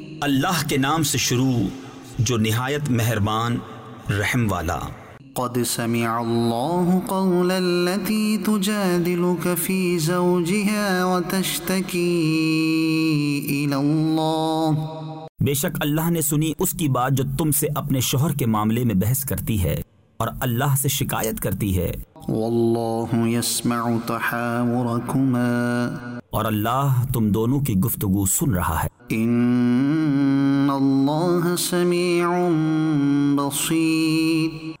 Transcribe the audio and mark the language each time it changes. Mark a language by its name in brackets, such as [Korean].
[Urdu] اللہ کے نام سے شروع جو نہایت مہربان رحم والا [Arabic] قد سمع الله قول التي تجادلك في زوجها وتشتكي الى الله [Urdu] بے شک اللہ نے سنی اس کی بات جو تم سے اپنے شوہر کے معاملے میں بحث کرتی ہے اور اللہ سے شکایت کرتی ہے [Arabic] والله يسمع تحاوركما [Urdu] اور اللہ تم دونوں کی گفتگو سن رہا ہے [Arabic] ان اللہ سمیع بصیر